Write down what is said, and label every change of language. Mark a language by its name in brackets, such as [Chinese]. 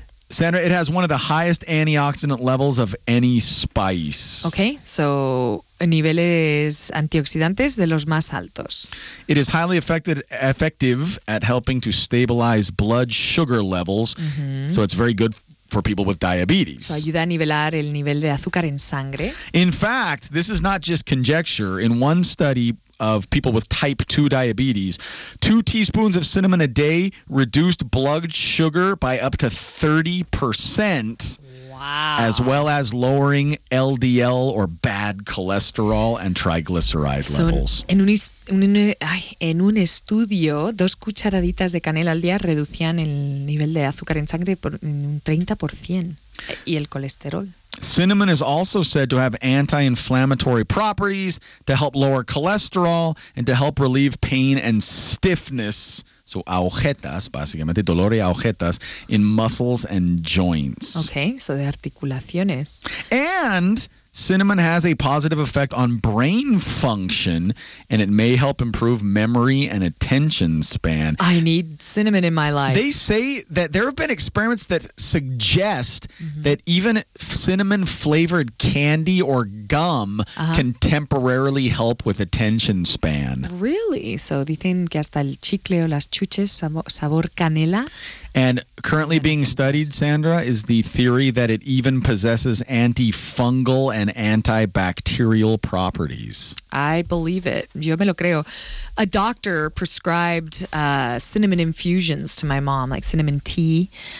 [English] Sandra, it has one of the highest antioxidant levels of any spice. [Spanish] Okay, so niveles antioxidantes de los más altos. [English] It is highly effective at helping to stabilize blood sugar levels, mm-hmm. so it's very good for people with diabetes. [Spanish] So ayuda a nivelar el nivel de azúcar en sangre. [English] In fact, this is not just conjecture. In one study of people with type 2 diabetes, 2 teaspoons of cinnamon a day reduced blood sugar by up to 30%. Wow. As well as lowering LDL or bad cholesterol and triglycerides levels. [Spanish] En un estudio, 2 cucharaditas de canela al día reducían el nivel de azúcar en sangre en un 30%. Y el colesterol. [English] Cinnamon is also said to have anti-inflammatory properties to help lower cholesterol and to help relieve pain and stiffness. [Spanish] So agujetas, básicamente, dolor y agujetas [English] in muscles and joints. [Spanish] Okay, so de articulaciones. [English] And cinnamon has a positive effect on brain function, and it may help improve memory and attention span. I need cinnamon in my life. They say that there have been experiments that suggest mm-hmm. that even cinnamon-flavored candy or gum uh-huh. can temporarily help with attention span. Really? [Spanish] So dicen que hasta el chicle o las chuches sabor canela. [English] And currently being studied, Sandra, is the theory that it even possesses antifungal and antibacterial properties. I believe it. [Spanish] Yo me lo creo. [English] A doctor prescribed cinnamon infusions to my mom, like cinnamon tea.